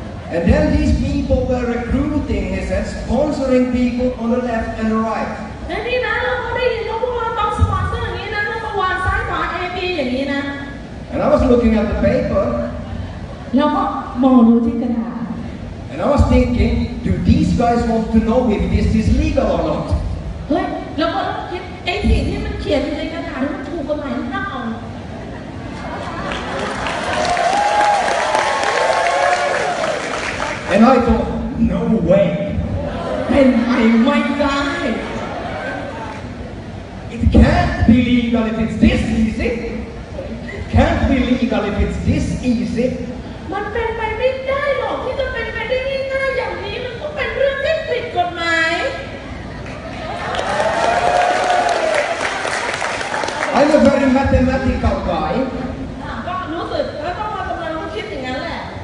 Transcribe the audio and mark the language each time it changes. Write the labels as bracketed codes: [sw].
[en] And then these people were recruiting, he said, sponsoring people on the left and the right. And I was looking at the paper. [th] แล้วก็มองดูที่กระดาษ [en] And I was thinking, do these guys want to know if this is legal or not? [th] เฮ้ยแล้วก็คิดไอ้สิ่งที่มันเขียนอยู่ในกระดาษมันถูกกฎหมายหรือเปล่า [en] And I thought, no way. And I might die. It can't be legal if it's this easy. It can't be legal if it's this easy. [th] มันเป็นไปไม่ได้หรอกที่จะเป็นไปได้ง่ายๆอย่างนี้มันก็เป็นเรื่องที่ผิดกฎหมาย [en] I'm a very mathematical guy [th] ก็รู้สึกก็ต้องมาทำงานต้องคิดอย่างนั้นแหละ